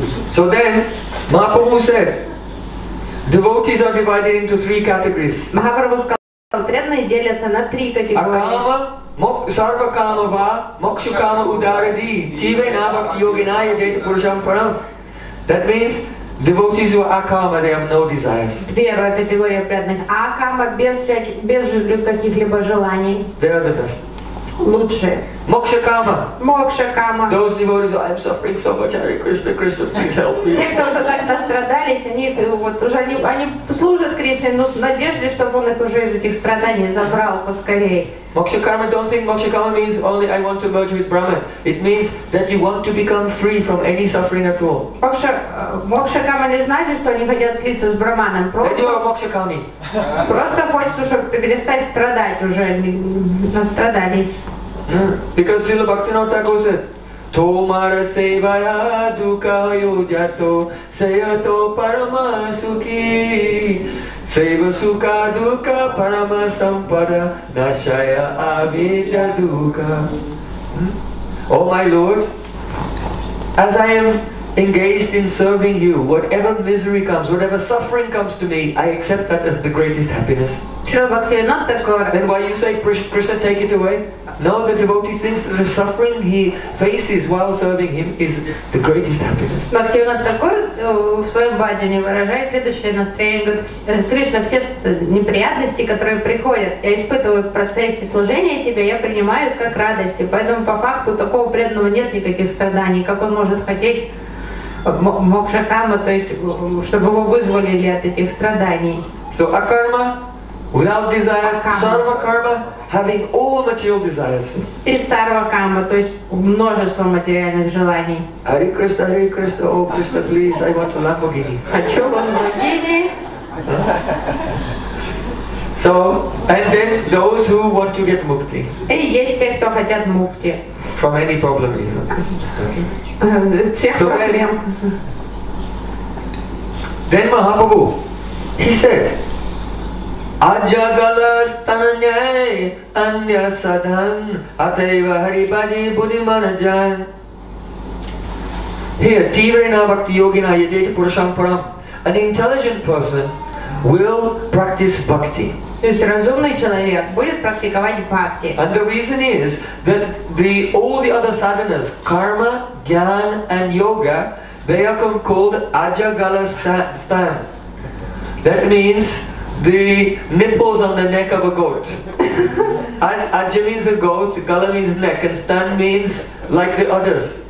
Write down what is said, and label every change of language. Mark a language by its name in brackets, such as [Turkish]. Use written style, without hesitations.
[English] So then, Mahaprabhu said, devotees are divided into three categories. [Russian] Махапрабху сказал, преданные делятся на три категории. [Sanskrit] Sarva kama va mokshu kama udaradi tive na bhakti yogina yajaita purusham param. [English] That means, devotees who are akama, they have no desires. [Russian] Первая категория преданных акама без каких-либо желаний. [English] They are the best. [Russian] Лучшие. [Sanskrit] Мокшакама. Мокшакама. [English] Those devotees are, I'm suffering so much, Hare Krishna, Krishna, please help me. [Russian] Те, кто уже так настрадались, они вот уже они служат Кришне, но с надеждой, чтобы он их уже из этих страданий забрал поскорее. [English] Mokshakama, don't think Mokshakama means only I want to merge with Brahman. It means that you want to become free from any suffering at all. [Russian] Mokshakama не значит, что они хотят слиться с Брахманом. [English] That you are Mokshakami. [Russian] Просто хочется, чтобы перестать страдать уже, настрадались. [Sanskrit] Because Srila Bhaktivinoda Thakur said, Tomara sevaya dukha yojato sayato parama sukhi seva sukha dukha parama sampada nashaya avidya dukha. [English] Oh my Lord, as I am engaged in serving you, whatever misery comes, whatever suffering comes to me, I accept that as the greatest happiness. Then why you say, Krishna, take it away? No, the devotee thinks that the suffering he faces while serving him is the greatest happiness. [Russian] Бхактивинода Тхакур в своем баджане выражает следующее настроение. Говорит, Кришна, все неприятности, которые приходят, я испытываю в процессе служения тебе, я принимаю их как радости. Поэтому по факту такого преданного нет никаких страданий, как он может хотеть мокшакама, то есть чтобы его вызволили от этих страданий. [English] So, акарма. Without desire, sarva karma, having all material desires. [Russian] И сарва карма, то есть множество материальных желаний. [English] Hare Krishna, Hare Krishna, oh Krishna, please, I want a Lamborghini. [Russian] Хочу Lamborghini. [English] So, and then those who want to get mukti. [Russian] И есть те, кто хотят мукти. [English] From any problem, either. So then, then Mahaprabhu, he said. [Sanskrit] Ajagala stananyai anya sadhan ateva haribaji bunimanajan. [English] Here, [Sanskrit] Tivrena Bhakti Yogina Yajeta Purusham Param. [English] An intelligent person will practice bhakti. [Russian] То есть разумный человек будет практиковать бхакти. [English] And the reason is that the all the other sadhanas, karma, gyan and yoga, they are called ajagala stan. That means the nipples on the neck of a goat. Aja means a goat, gala means neck, and stan means like the udders.